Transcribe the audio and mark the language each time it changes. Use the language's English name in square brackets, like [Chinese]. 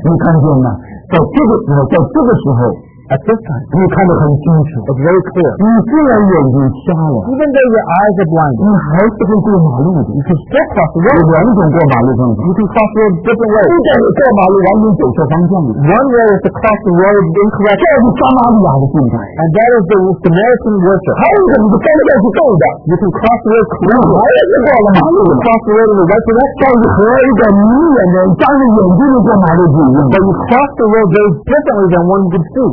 [Chinese] 你看见吗？在这个时候，在这个时候。 [English] At this time, [Chinese] 你看得很清楚 [English] ，it's very clear. [Chinese] 你虽然眼睛瞎了 [English] ，even though your eyes are blind, [Chinese] 你还是会过马路的。 [English] You can still cross the road. [Chinese] 有两种过马路方式 [English] ，you can cross the road different ways. [Chinese] 一种是过马路完全走错方向的 [English] ，one way is to cross the road incorrect. [Chinese] 这是撒玛利亚的心态 [English] ，and that is the Samaritan worship. [Chinese] 还有一种是翻过去走的 [English] ，you can cross the road correct. [Chinese] 还是过了马路 [English] ，cross the road right to left. [Chinese] 这是和一个迷眼的、眨着眼睛的过马路不一样 [English] ，but you cross the road very differently than one would do.